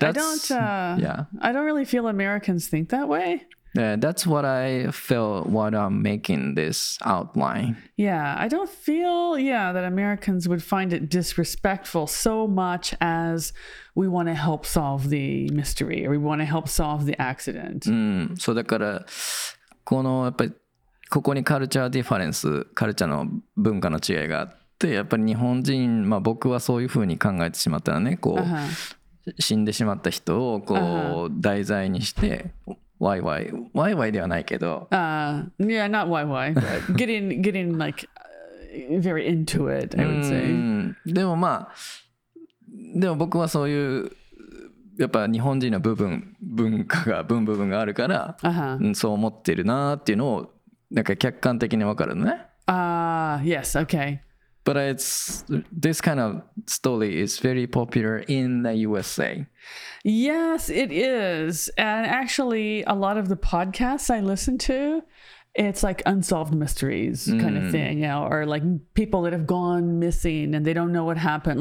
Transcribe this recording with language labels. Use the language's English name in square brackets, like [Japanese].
[English] I don't really feel Americans think that way. Yeah, that's what I feel while I'm making this outline. Yeah, I don't feel that Americans would find it disrespectful so much as we want to help solve the mystery or we want to help solve the accident. [Japanese] So だからこのやっぱりここにカルチャーディファレンス、カルチャーの文化の違いがあって、やっぱり日本人、まあ僕はそういうふうに考えてしまったらね、こう、死んでしまった人をこう題材にして。 Why ではないけど [English] Yeah, not why, but getting like very into it, I would say. [Japanese] でもまあでも僕はそういうやっぱ日本人の部分文化が分部分があるから、そう思ってるなっていうのをなんか客観的に分かるのね [English] Yes, okay. But it's this kind of story is very popular in the USA. Yes, it is. And actually, a lot of the podcasts I listen to, it's like unsolved mysteries kind of thing, you know, or like people that have gone missing and they don't know what happened.